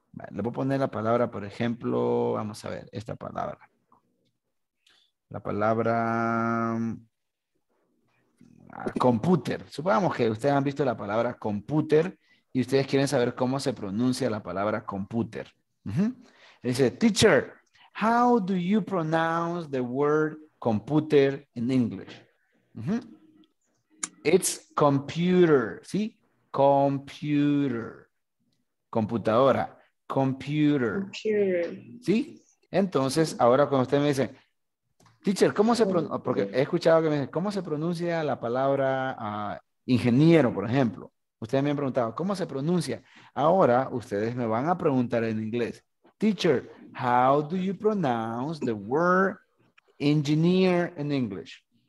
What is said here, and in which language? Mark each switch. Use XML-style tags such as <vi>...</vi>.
<es>Le voy a poner la palabra, por ejemplo, vamos a ver, esta palabra. La palabra computer. Supongamos que ustedes han visto la palabra computer y ustedes quieren saber cómo se pronuncia la palabra computer.</es> <en>Dice, teacher, how do you pronounce the word computer in English? It's computer, ¿sí? Computer. Computadora. Computer. Computer.</en> <es>¿Sí? Entonces, ahora cuando usted me dice, teacher, ¿cómo se pronuncia? Porque he escuchado que me dice, ¿cómo se pronuncia la palabra ingeniero, por ejemplo? Ustedes me han preguntado, ¿cómo se pronuncia? Ahora, ustedes me van a preguntar en inglés.</es> <en>Teacher, how do you pronounce the word engineer in English?</en>